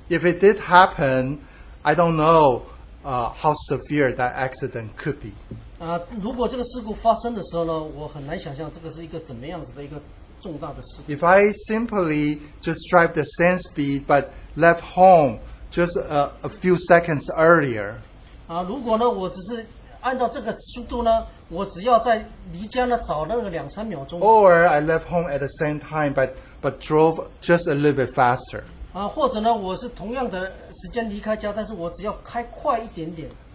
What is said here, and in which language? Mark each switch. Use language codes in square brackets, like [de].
[en] If it did happen, I don't know how severe that accident could be. [zh] 如果这个事故发生的时候呢，我很难想象这个是一个怎么样子的一个重大的事故。 [en] If I simply just drive the same speed but left home just a few seconds earlier. [zh] 如果呢，我只是按照这个速度呢，我只要在离家呢早那个2-3秒钟。 [en] Or I left home at the same time but drove just a little bit faster. [zh] 或者呢，我是同样的时间离开家，但是我只要开快一点点。